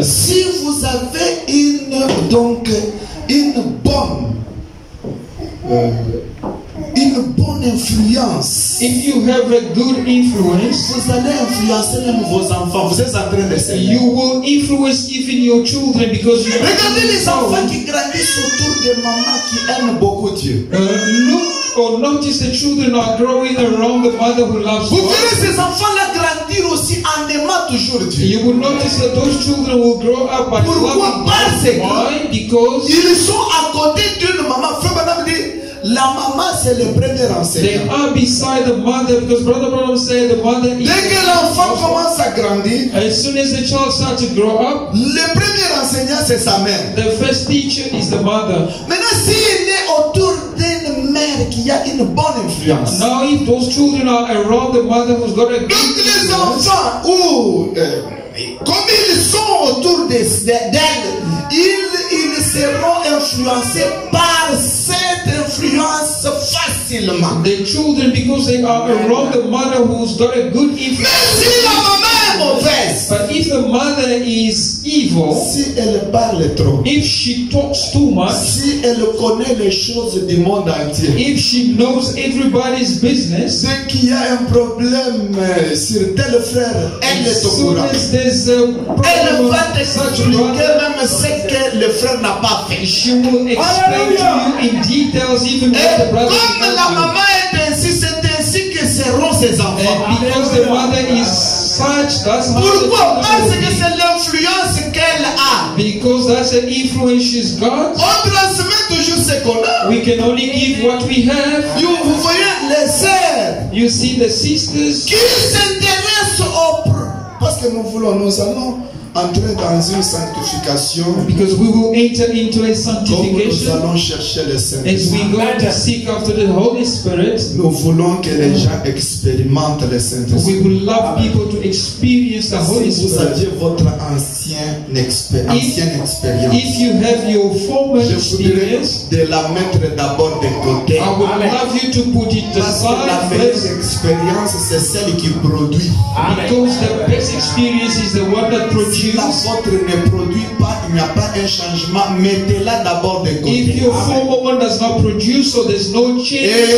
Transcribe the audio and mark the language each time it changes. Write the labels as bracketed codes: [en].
[fr] Si vous avez une bonne influence. [en] If you have a good influence, [fr] vous allez influencer même vos enfants. Vous êtes en train de semer. [en] You will influence even your children because you are. [fr] Regardez les enfants qui grandissent autour de maman qui aime beaucoup Dieu. [en] Or notice the children are growing around the mother who loves God. [fr] Vous verrez ces enfants-là grandir aussi en aimant toujours Dieu. [en] You will notice that those children will grow up by loving God. [fr] Pourquoi? [en] Because [fr] ils sont à côté d'une maman. Frère Madame dit, la maman c'est le premier enseignant. [en] They are beside the mother because Brother Branham said the mother. [fr] Dès que l'enfant commence à grandir, [en] as soon as the child starts to grow up, [fr] le premier enseignant c'est sa mère. [en] The first teacher is the mother. [fr] Maintenant si il est autour d'une mère qui a une bonne influence. [en] Now if those children are around the mother who's got a good influence. [fr] Donc les enfants comme ils sont autour d'elle, ils seront influencés par cette influence facilement. [en] The children, because they are around the mother who's got a good influence. [fr] Mais si la maman est mauvaise. [en] But if the mother is evil. [fr] Si elle parle trop. [en] If she talks too much. [fr] Si elle connaît les choses du monde entier. [en] If she knows everybody's business. [fr] Dès qu'il y a un problème sur tel frère, elle est au courant. [en] As soon as there's a problem, [fr] elle va te expliquer même ce que le frère n'a pas fait. [en] She will explain to you in details even what the brother. [fr] Comme la maman est ainsi, c'est ainsi que seront ses enfants. [en] The mother is such, that's [fr] pourquoi? Parce que c'est l'influence qu'elle a. [en] Because that's the influence she's got. [fr] On transmet toujours ce qu'on a. [en] We can only give what we have. [fr] Vous voyez les sœurs. [en] You see the sisters. [fr] Qui s'intéressent au parce que nous allons entrer dans une sanctification. [en] Because we will enter into a sanctification. [fr] Nous allons chercher le Saint-Esprit. [en] As we go to seek after the Holy Spirit. [fr] Nous voulons que les gens expérimentent le Saint-Esprit. [en] We would love people to experience the Holy Spirit. [fr] Si vous aviez votre ancienne expérience. [en] If you have your former experience. [fr] Je voudrais de la mettre d'abord de côté. [en] I would love you to put it aside. [fr] Parce que la meilleure expérience c'est celle qui produit. [en] Because the best experience is the one that produces. [fr] Si la vôtre ne produit pas, il n'y a pas un changement. Mettez-la d'abord de côté. [en] If your former one does not produce, so there's no change.